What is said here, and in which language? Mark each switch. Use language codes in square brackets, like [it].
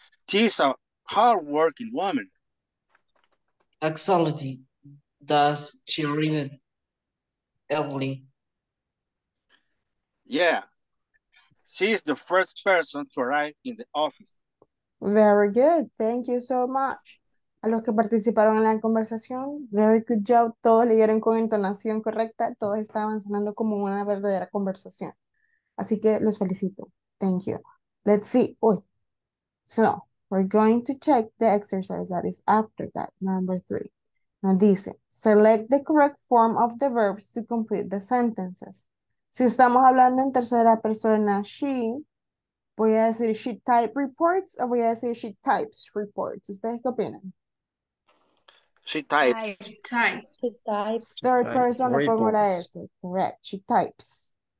[en] She's a hardworking woman. Excellently. Does she arrive early? Yeah. She's the first person to arrive in the office. Very good. Thank you so much. [es] A los que participaron en la conversación, [en] very good job. [es] Todos leyeron con entonación correcta. Todos estaban sonando como una verdadera conversación. Así que los felicito. [en] Thank you. Let's see. [es] Uy. [en] So, we're going to check the exercise that is after that, number three. [es] Nos dice, [en] select the correct form of the verbs to complete the sentences. [es] Si estamos hablando en tercera persona, she, voy a decir [en] she type reports [es] o voy a decir [en] she types reports. [es] ¿Ustedes qué opinan? [en] She types. She types. Third person, [es] le pongo la S. [en] Correct. She types.